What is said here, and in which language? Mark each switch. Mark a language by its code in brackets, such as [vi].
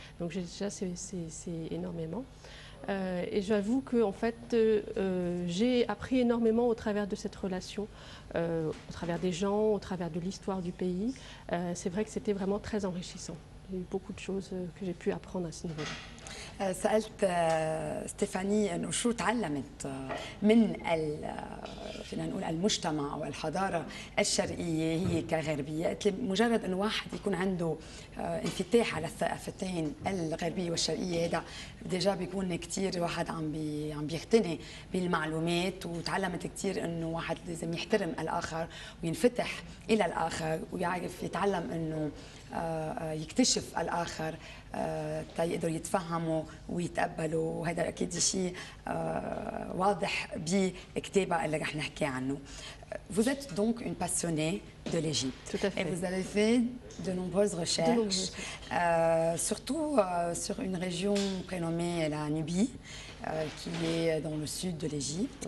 [fr] Donc déjà, c'est énormément. Et j'avoue que, en fait, j'ai appris énormément au travers de cette relation, au travers des gens, au travers de l'histoire du pays. C'est vrai que c'était vraiment très enrichissant. Il y a eu beaucoup de choses que j'ai pu apprendre à ce niveau-là. [ar] سألت ستيفاني انه شو تعلمت من فينا نقول المجتمع او الحضاره الشرقيه هي كغربيه، قالت لي مجرد انه واحد يكون عنده انفتاح على الثقافتين الغربيه والشرقيه هذا ديجا بيكون كثير واحد عم بيغتني بالمعلومات، وتعلمت كثير انه واحد لازم يحترم الاخر وينفتح الى الاخر ويعرف يتعلم انه يكتشف الاخر تيقدر يتفهموا ويتقبلوا، وهذا اكيد شيء واضح بكتابه اللي رح نحكي عنه. [fr] Vous êtes donc une passionnée de l'Égypte. Tout à fait. Et vous avez fait de nombreuses recherches, surtout sur une région prénommée la Nubie, qui est dans le sud de l'Égypte.